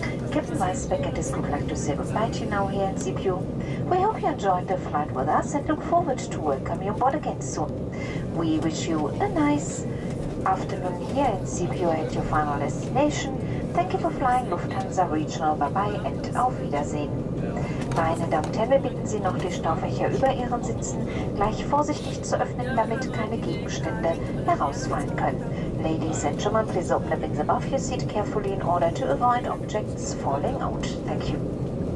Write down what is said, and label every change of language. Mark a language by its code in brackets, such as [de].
[en] Captain Weißbeck and his crew would like to say goodbye to you now here in Sibiu. We hope you enjoyed the flight with us and look forward to welcoming you aboard again soon. We wish you a nice afternoon here in Sibiu at your final destination. Thank you for flying Lufthansa Regional. Bye-bye and [de] auf Wiedersehen. Meine Damen und Herren, wir bitten Sie noch, die Staufächer über Ihren Sitzen gleich vorsichtig zu öffnen, damit keine Gegenstände herausfallen können. [en] Ladies and gentlemen, please open the bins above your seat carefully in order to avoid objects falling out. Thank you.